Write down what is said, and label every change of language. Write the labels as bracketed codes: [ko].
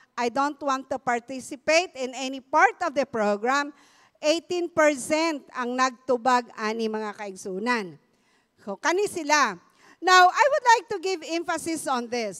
[en] I don't want to participate in any part of the program. [ceb] 18% ang nagtubag ani mga kaigsoonan. So, kani sila. [en] Now, I would like to give emphasis on this.